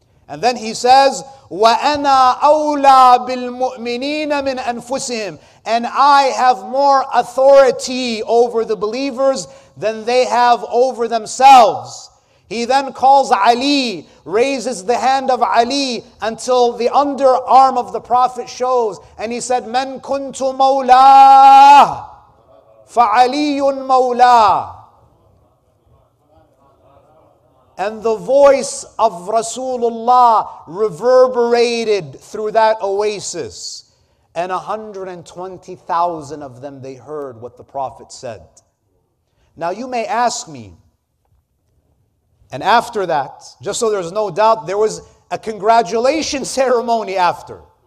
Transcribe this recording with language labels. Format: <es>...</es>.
<en>And then he says,</en> <ar>وَأَنَا أَوْلَى بِالْمُؤْمِنِينَ مِنْ أَنفُسِهِمْ.</ar> <en>And I have more authority over the believers than they have over themselves. He then calls Ali, raises the hand of Ali until the underarm of the Prophet shows. And he said,</en> <ar>مَنْ كُنْتُ مَوْلَى فَعَلِيٌ مَوْلَى.</ar> <en>And the voice of Rasulullah reverberated through that oasis. And 120,000 of them, they heard what the Prophet said. Now you may ask me, and after that, just so there's no doubt, there was a congratulation ceremony after.</en>